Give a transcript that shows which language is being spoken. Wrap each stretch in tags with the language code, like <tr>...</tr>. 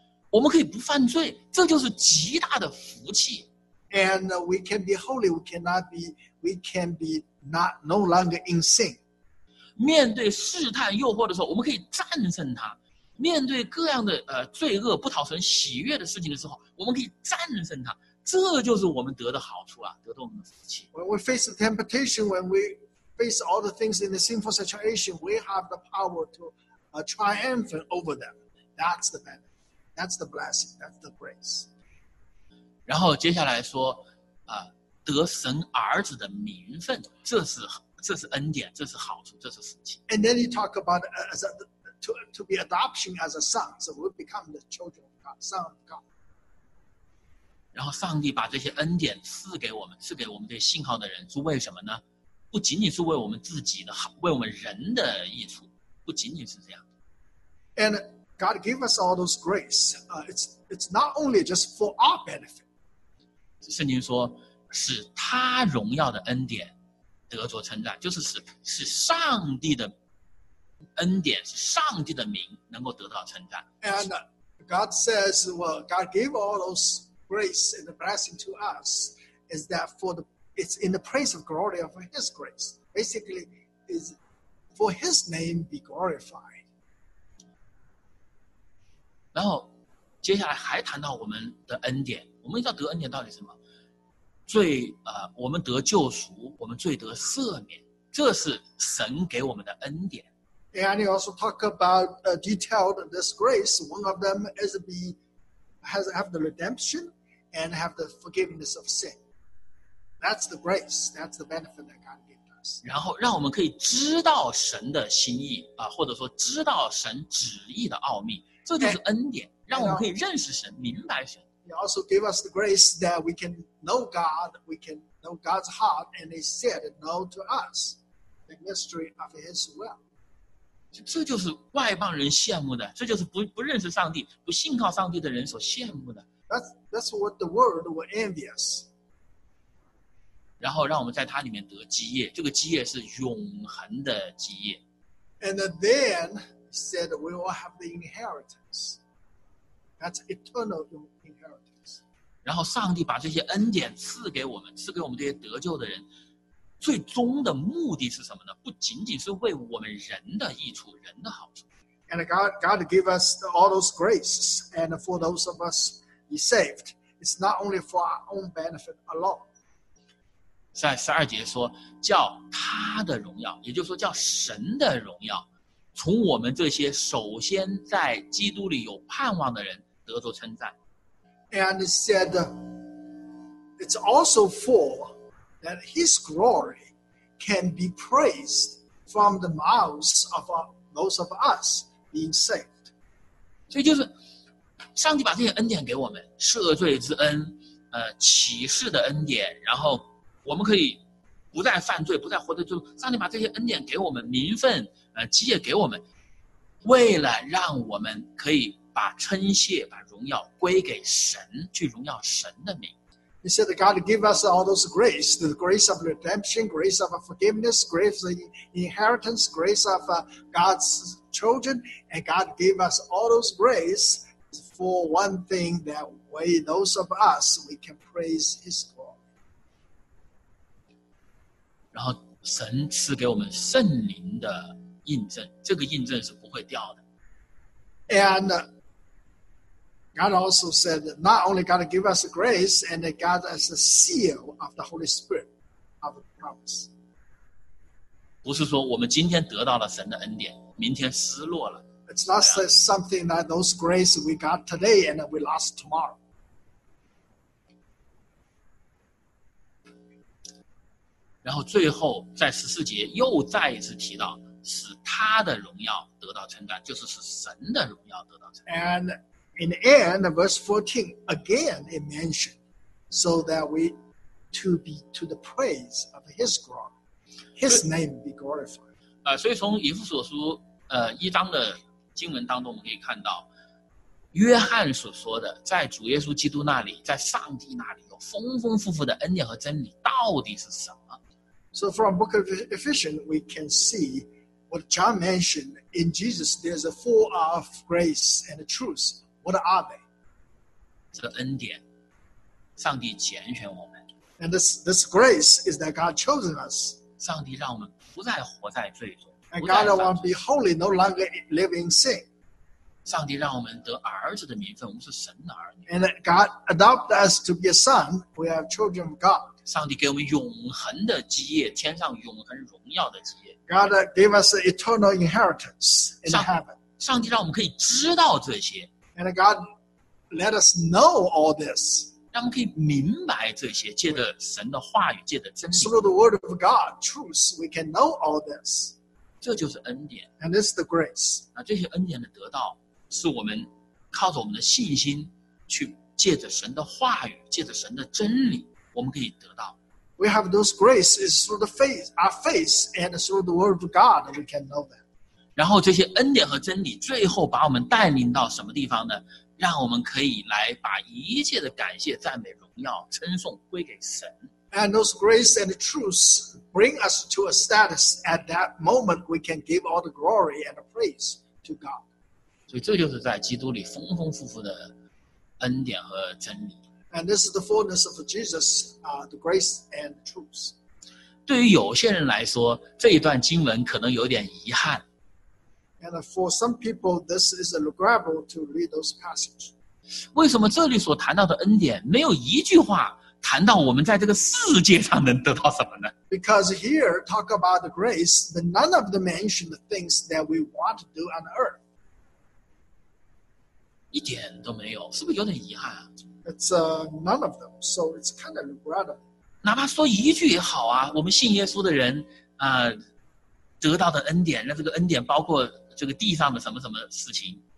<zh>我们可以不犯罪，这就是极大的福气。</zh> <en>And we can be holy, no longer in sin.</en> <zh>面对试探诱惑的时候，我们可以战胜它。面对各样的罪恶不讨神喜悦的事情的时候，我们可以战胜它。这就是我们得的好处啊，得到我们的福气。</zh> <en>When we face the temptation, when we face all the things in the sinful situation, we have the power to triumph over them. That's the benefit. That's the blessing. That's the grace.</en> <zh>然后接下来说，得神儿子的名分，这是恩典，这是好处，这是福气。</zh> <en>And then you talk about to be adoption as a son, so we become the children of God, son of God.</en> <zh>然后上帝把这些恩典赐给我们，赐给我们这些信号的人，是为什么呢？不仅仅是为我们自己的好，为我们人的益处，不仅仅是这样。</zh> <en>And God gave us all those grace. It's not only just for our benefit.</en> <zh>圣经说，使他荣耀的恩典得着称赞，就是使上帝的恩典，使上帝的名能够得到称赞。</zh> <en>And God says, well, God gave all those. Grace and the blessing to us is that it's in the praise of glory of His grace. Basically, is for His name be glorified.</en> <zh>然后，接下来还谈到我们的恩典。我们要得恩典到底什么？我们得救赎，我们罪得赦免，这是神给我们的恩典。</zh> <en>And he also talk about detailed this grace. One of them is have the redemption. And have the forgiveness of sin. That's the grace. That's the benefit that God gave us.</en> <zh>然后让我们可以知道神的心意啊，或者说知道神旨意的奥秘，这就是恩典。让我们可以认识神，明白神。</zh> <en>He also gave us the grace that we can know God. We can know God's heart, and He said no to us, the mystery of His will.</en> <zh>这就是外邦人羡慕的，这就是不认识上帝、不信靠上帝的人所羡慕的。</zh> <en>That's what the world were envious.</en> <zh>然后让我们在它里面得基业，这个基业是永恒的基业。</zh> <en>And then said we will have the inheritance. That's eternal inheritance.</en> <zh>然后上帝把这些恩典赐给我们，赐给我们这些得救的人，最终的目的是什么呢？不仅仅是为我们人的益处、人的好处。</zh> <en>And God gave us all those graces, and for those of us He saved, it's not only for our own benefit alone.</en> <zh>在十二节说，叫他的荣耀，也就是说叫神的荣耀，从我们这些首先在基督里有盼望的人得着称赞。</zh> <en>And it said, it's also for that His glory can be praised from the mouths of those of us being saved.</en> <zh>所以就是上帝把这些恩典给我们，赦罪之恩，启示的恩典，然后我们可以不再犯罪，不再活在罪中。上帝把这些恩典给我们，名分基业给我们，为了让我们可以把称谢、把荣耀归给神，去荣耀神的名。</zh> <en>He said, God give us all those grace, the grace of redemption, grace of forgiveness, grace of inheritance, grace of God's children, and God give us all those grace for one thing that we, those of us, we can praise His glory.</en> <zh>然后神赐给我们圣灵的印证，这个印证是不会掉的。</zh> <en>And God also said that not only God give us grace, and God as a seal of the Holy Spirit of the promise.</en> <zh>不是说我们今天得到了神的恩典，明天失落了。</zh> <en>It's not something that those grace we got today and we lost tomorrow.</en> <zh>然后最后在十四节又再一次提到，使他的荣耀得到称赞，就是使神的荣耀得到称赞。</zh> <en>And in the end, verse 14, again it mentioned, so that we to be to the praise of His glory, His name be glorified.</en> <zh>所以从以弗所书一章的经文当中，我们可以看到，约翰所说的，在主耶稣基督那里，在上帝那里有丰丰富富的恩典和真理，到底是什么？</zh> <en>So from Book of Ephesians, we can see. What John mentioned, in Jesus, there's a full of grace and truth. What are they?</en> <zh>这恩典，上帝拣选我们。</zh> <en>And this grace is that God chosen us.</en> <zh>上帝让我们不再活在罪中。</zh> <en>And God don't want to be holy, no longer living in sin.</en> <zh>上帝让我们得儿子的名分，我们是神的儿女。</zh> <en>And God adopt us to be a son, we are children of God.</en> <zh>上帝给我们永恒的基业，天上永恒荣耀的基业。</zh> <en>God gave us eternal inheritance in heaven.</en> <zh>上帝让我们可以知道这些。</zh> <en>And God let us know all this.</en> <zh>让我们可以明白这些，借着神的话语，借着真理。</zh> <en>Through the word of God, truth, we can know all this.</en> <zh>这就是恩典。</zh> <en>And this is the grace.</en> <zh>那这些恩典的得到，是我们靠着我们的信心，去借着神的话语，借着神的真理。我们可以得到。</zh> <en>We have those graces through the faith, our faith, and through the word of God, we can know them.</en> <zh>然后这些恩典和真理最后把我们带领到什么地方呢？让我们可以来把一切的感谢、赞美、荣耀、称颂归给神。</zh> <en>And those grace and truths bring us to a status at that moment we can give all the glory and the praise to God.</en> <zh>所以这就是在基督里丰丰富富的恩典和真理。</zh> <en>And this is the fullness of Jesus, the grace and the truth.</en> <zh>对于有些人来说，这一段经文可能有点遗憾。</zh> <en>And for some people, this is regrettable to read those passages.</en> <zh>为什么这里所谈到的恩典没有一句话谈到我们在这个世界上能得到什么呢？</zh> <en>Because here, talk about the grace, but none of them mention the things that we want to do on earth.</en> <zh>一点都没有，是不是有点遗憾啊？</zh> <en>It's none of them, so it's kind of regrettable.</en> <zh>哪怕说一句也好啊，我们信耶稣的人，得到的恩典，那这个恩典包括这个地上的什么什么事情。</zh>